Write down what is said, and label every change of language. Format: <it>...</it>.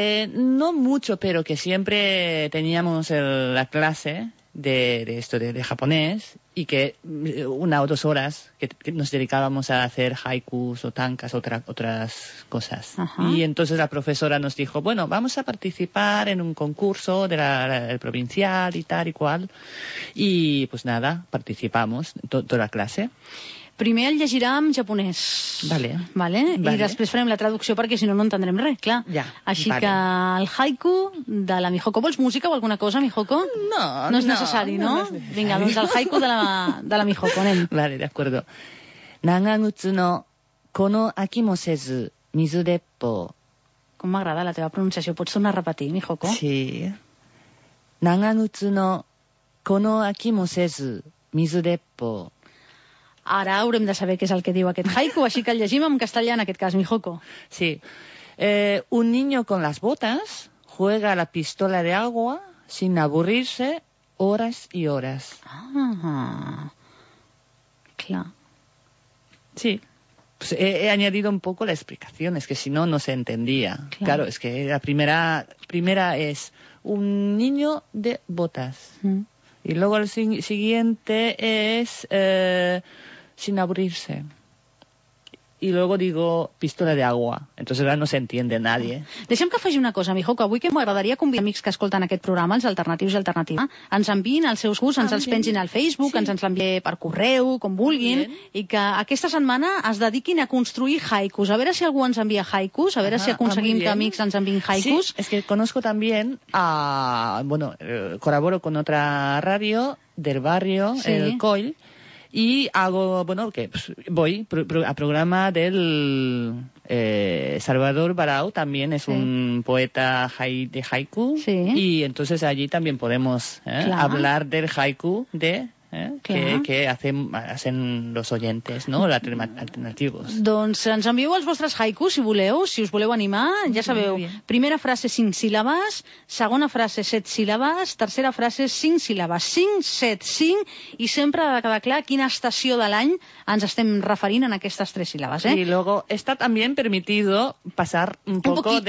<es>No mucho, pero que siempre teníamos la clase de esto de japonés y que una o dos horas que nos dedicábamos a hacer haikus o tankas, otras cosas. Ajá. Y entonces la profesora nos dijo, bueno, vamos a participar en un concurso de del provincial y tal y cual. Y pues nada, participamos toda la clase.</es> <ca>Primer el llegirà en japonès. Vale. Vale? Vale. I després farem la traducció perquè si no, no entendrem res, clar. Ja. Així vale. Que el haiku de la Mihoko. Vols música o alguna cosa, Mihoko? No. No és necessari, no? Vinga, doncs el haiku de la Mihoko, anem. Vale, d'acord.</ca> <ja>Nangagutsu no kono aki mo sezu mizudeppo.</ja> <ca>Com m'agrada la teva pronunciació. Pots tornar a repetir, Mihoko?</ca> <ja>Sí. Nangagutsu no kono aki mo sezu mizudeppo.</ja> <ca>Ara haurem de saber què és el que diu aquest haiku, així que el llegim en castellà, en aquest cas, Mihoko. Sí.</ca> <es>Un niño con las botas juega a la pistola de agua sin aburrirse horas y horas.</es> <ca>Ah, clar. Sí.</ca> <es>Pues he añadido un poco la explicación, es que si no, no se entendía. Claro, claro, es que la primera es un niño de botas. Mm. Y luego el siguiente es sin aburrirse. Y luego digo pistola de agua. Entonces ahora no se entiende nadie.</es> <ca>Deixem que faci una cosa, Mihoko. Avui que m'agradaria convidar amics que escolten aquest programa, els alternatius i alternativa, ens enviïn els seus gusts, ens els pengin al Facebook, sí. Ens l'enviïn per correu, com vulguin, i que aquesta setmana es dediquin a construir haikus. A veure si algú ens envia haikus, a veure si aconseguim que amics ens enviïn haikus.</ca> <es>Sí, es que conozco también a... Bueno, colaboro con otra radio del barrio, sí. El COIL, y hago, bueno, que pues, voy a programa del Salvador Barao, también es un poeta de haiku, sí. Y entonces allí también podemos hablar del haiku de... que hacen los oyentes, ¿no? Alternativos.</es> <ca>Doncs ens envieu els vostres haikus, si voleu, si us voleu animar, ja sabeu. Primera frase, 5 síl·labes. Segona frase, 7 síl·labes. Tercera frase, 5 síl·labes. 5, 7, 5. I sempre ha de quedar clar quina estació de l'any ens estem referint en aquestes 3 síl·labes,</ca> <es>Y luego está también permitido pasar un poquito,</es>